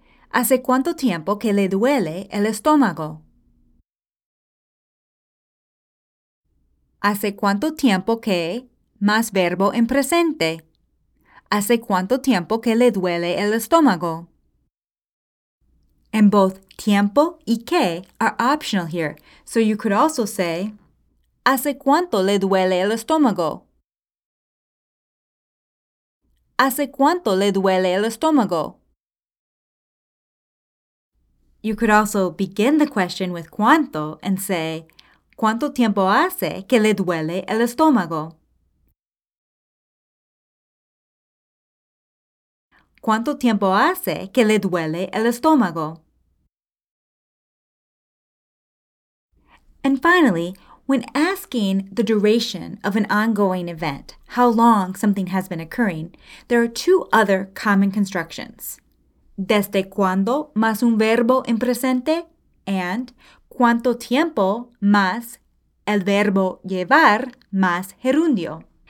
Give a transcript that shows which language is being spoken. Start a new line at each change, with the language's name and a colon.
Spanish: ¿Hace cuánto tiempo que le duele el estómago? ¿Hace cuánto tiempo que? Más verbo en presente. ¿Hace cuánto tiempo que le duele el estómago?
English: And both
Spanish: tiempo y que
English: are optional here, so you could also say,
Spanish: ¿Hace cuánto le duele el estómago? ¿Hace cuánto le duele el estómago?
English: You could also begin the question with cuánto and say,
Spanish: ¿Cuánto tiempo hace que le duele el estómago? ¿Cuánto tiempo hace que le duele el estómago?
English: And finally, when asking the duration of an ongoing event, how long something has been occurring, there are two other common constructions.
Spanish: ¿Desde cuándo más un verbo en presente? And ¿cuánto tiempo más el verbo llevar más gerundio?